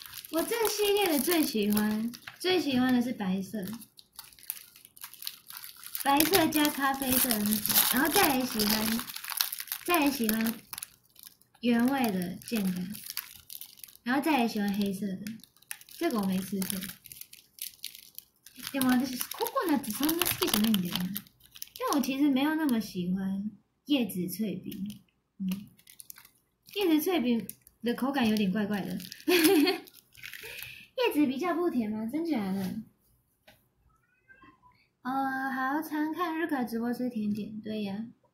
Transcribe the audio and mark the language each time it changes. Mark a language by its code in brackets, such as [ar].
[zh] 我这个系列的最喜欢的是白色，白色加咖啡色的那种，然后再来喜欢原味的健康，然后再来喜欢黑色的，这个我没吃过。 [ja] でも私ココナッツそんな好きじゃないんだよな。 [zh] 但我其实没有那么喜欢叶子脆饼，叶子脆饼的口感有点怪怪的。叶子比较不甜吗？真假的？好常看日卡直播吃甜点，对呀。